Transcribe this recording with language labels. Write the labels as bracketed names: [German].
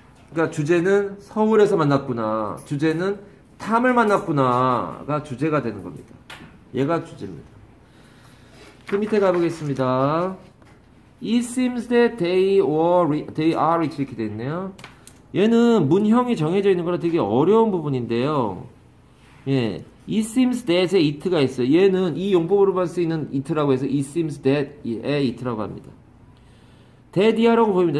[Korean] 그러니까 주제는 서울에서 만났구나. 주제는 탐을 만났구나가 주제가 되는 겁니다. 얘가 주제입니다. 그 밑에 가보겠습니다. [English] It seems that they are 이렇게 돼 있네요. [Korean] 얘는 문형이 정해져 있는 거라 되게 어려운 부분인데요. 예, [English] It seems that [Korean] 에 it가 있어요. 얘는 이 용법으로만 쓰이는 it라고 해서 It seems that에 it라고 합니다. [English] That are [Korean] 라고 보입니다.